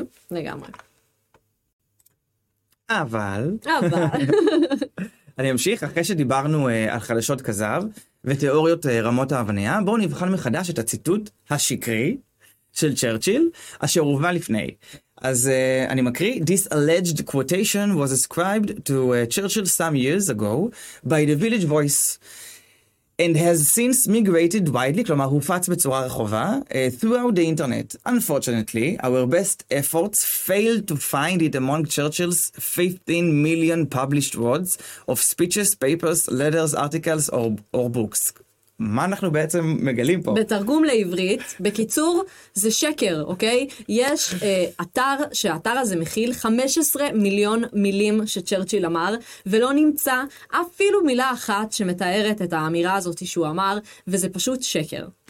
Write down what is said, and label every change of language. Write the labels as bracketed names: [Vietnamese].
[Hebrew] לגמרי. אבל... אבל... אני אמשיך, אחרי שדיברנו על חדשות כזב ותיאוריות רמות ההבנייה, בואו נבחן מחדש את הציטוט השקרי של צ'רצ'יל, אשר הובא לפני. אז אני מקריא, [English] this alleged quotation was ascribed to Churchill some years ago by the Village Voice. And has since migrated widely, [Hebrew] כלומר, הופץ בצורה רחובה, [English] throughout the internet. Unfortunately, our best efforts failed to find it among Churchill's 15 million published words of speeches, papers, letters, articles, or books. [Hebrew] מה אנחנו בעצם מגלים פה? בתרגום לעברית, בקיצור, זה שקר, אוקיי? יש אתר שהאתר הזה מכיל 15 מיליון מילים שצ'רצ'יל אמר, ולא נמצא אפילו מילה אחת שמתארת את האמירה הזאת שהוא אמר, וזה פשוט שקר.